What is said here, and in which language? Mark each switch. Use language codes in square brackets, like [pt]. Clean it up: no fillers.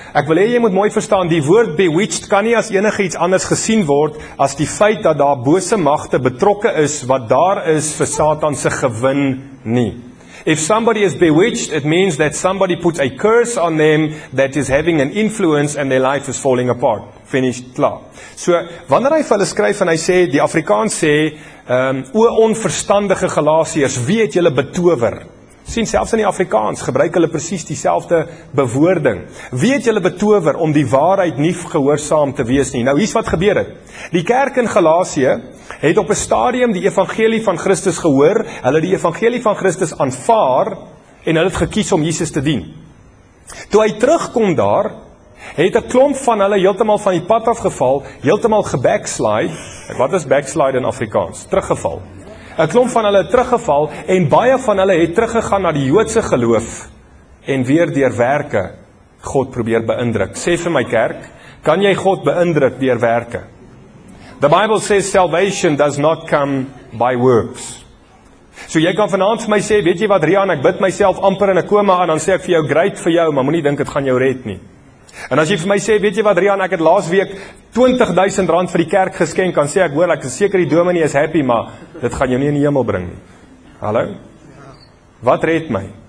[af] Ek wil hê jy moet mooi verstaan, die woord bewitched kan nie as enige iets anders gesien word as die feit dat daar bose magte betrokke is wat daar is vir Satan se gewin nie. [en] If somebody is bewitched, it means that somebody puts a curse on them that is having an influence and their life is falling apart. Finished, klaar. [af] So, wanneer hy vir hulle skryf en hy sê, die Afrikaans sê, o onverstandige Galasiërs, wie het julle betower? Sien, selfs in die Afrikaans gebruik hulle presies dieselfde bewoording. Wie het julle betower om die waarheid nie gehoorsaam te wees nie? Nou, hier's wat gebeur het. Die kerk in Galasië het op 'n stadium die evangelie van Christus gehoor, hulle die evangelie van Christus aanvaar en hulle het gekies om Jesus te dien. Toe hy terugkom daar, het 'n klomp van hulle heeltemal van die pad afgeval, heeltemal gebackslide. Wat is backslide in Afrikaans? Teruggeval. 'N Klomp van hulle het teruggeval en baie van hulle het teruggegaan na die Joodse geloof en weer deur werke God probeer beïndruk. Sê vir my kerk, kan jy God beïndruk deur werke? [en] The Bible says salvation does not come by works. [af] So jy kan vanaand vir my sê, weet jy wat Rian, ek bid myself amper in 'n koma aan, dan sê ek vir jou, great vir jou, maar moenie dink dit gaan jou red nie. En as jy vir my sê, weet jy wat Rian, ek het laas week R20,000 vir die kerk geskenk, kan sê ek hoor, ek is seker die dominee is happy, maar dit gaan jou nie in die hemel bring nie. Hallo? Wat red my?